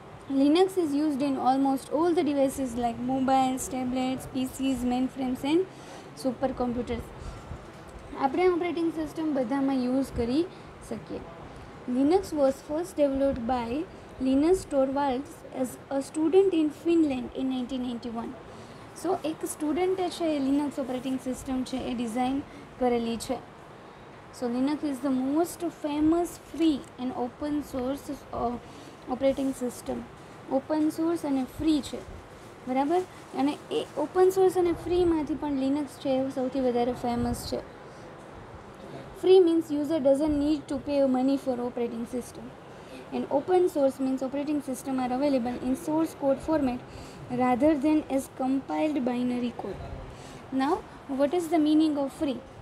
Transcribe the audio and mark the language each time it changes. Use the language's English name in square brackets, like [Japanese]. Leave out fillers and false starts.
[English] Linux is used in almost all the devices like mobiles, tablets, PCs, mainframes and supercomputers. [Gujarati] આપણે operating system બધામાં use કરી શકીએ. [English] Linux was first developed by Linus Torvalds as a student in Finland in 1991. [Gujarati] સો એક સ્ટુડન્ટે છે એ Linux operating system છે એ design કરેલી છે. [English] So Linux is the most famous free and open source operating system. [Gujarati] Open source અને free છે, બરાબર? અને એ open source અને ફ્રીમાંથી પણ લિનક્સ છે એ સૌથી વધારે ફેમસ છે. [English] Free means user doesn't need to pay money for operating system. And open source means operating system are available in source code format rather than as compiled binary code. Now, what is the meaning of free?